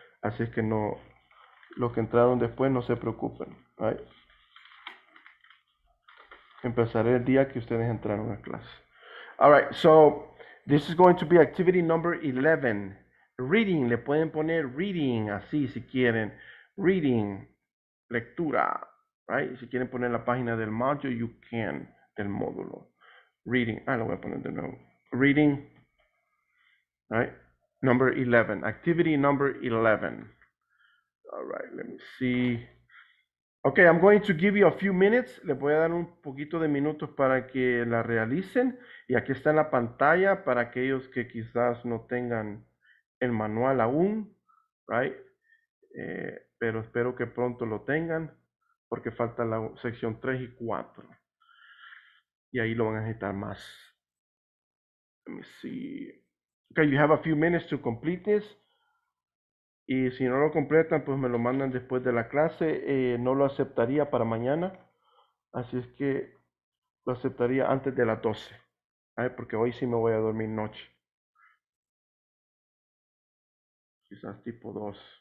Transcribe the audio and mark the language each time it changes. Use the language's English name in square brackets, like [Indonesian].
[Spanish] Así es que no, los que entraron después no se preocupen. Right? Empezaré el día que ustedes entraron a clase. [English] All right, so this is going to be activity number 11. [Spanish] Reading, le pueden poner reading así si quieren. Reading, lectura. Right? Si quieren poner la página del module, [English] you can, [Spanish] del módulo. Reading, lo voy a poner de nuevo. Reading, right? [English] Number 11, activity number 11. All right, let me see. Okay, I'm going to give you a few minutes. [Spanish] Le voy a dar un poquito de minutos para que la realicen. Y aquí está en la pantalla para aquellos que quizás no tengan el manual aún, right? Pero espero que pronto lo tengan. Porque falta la sección 3 y 4. Y ahí lo van a necesitar más. [English] Let me see. Okay, you have a few minutes to complete this. [Spanish] Y si no lo completan, pues me lo mandan después de la clase. No lo aceptaría para mañana. Así es que lo aceptaría antes de las 12. ¿Sabes? Porque hoy sí me voy a dormir noche. Quizás tipo 2.